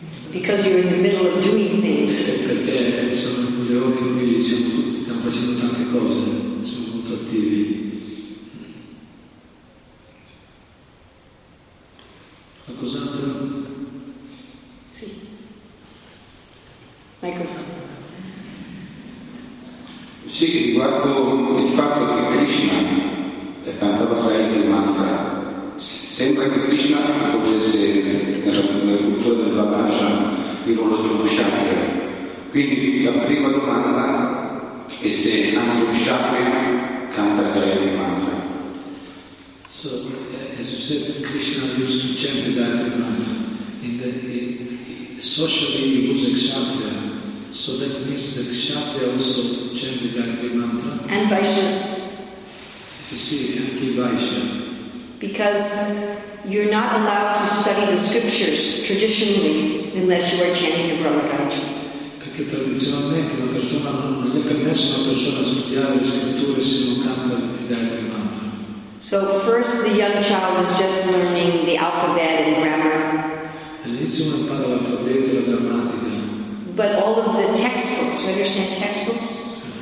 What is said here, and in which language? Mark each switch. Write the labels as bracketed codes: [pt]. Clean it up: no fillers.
[en] Because you're in the middle of doing things. [it] Perché sono le ore in cui stiamo facendo tante cose, siamo molto attivi. Qualcos'altro? Sì. Microfono. Sì, riguardo il fatto che Krishna è cantato da il mantra. Sembra che Krishna potesse nella cultura del Vaibhasha il ruolo di uno kshatriya. Quindi la prima domanda è se anche lo kshatriya canta Gayatri Mantra. [en] So, as you said, Krishna used to chant the Gayatri Mantra. Socially he was a kshatriya. So that means that kshatriya also chant the Gayatri Mantra. And Vaishyas. So see, [it] anche Vaishya. [en] Because you're not allowed to study the scriptures traditionally unless you are chanting the Brahma Gayatri. [it] Perché tradizionalmente una persona non è permesso a una persona studiare le scritture se non canta il Gayatri Mantra. [en] So first the young child is just learning the alphabet and grammar. [it] All'inizio non impara l'alfabeto e la grammatica. [en] But all of the textbooks, you understand textbooks?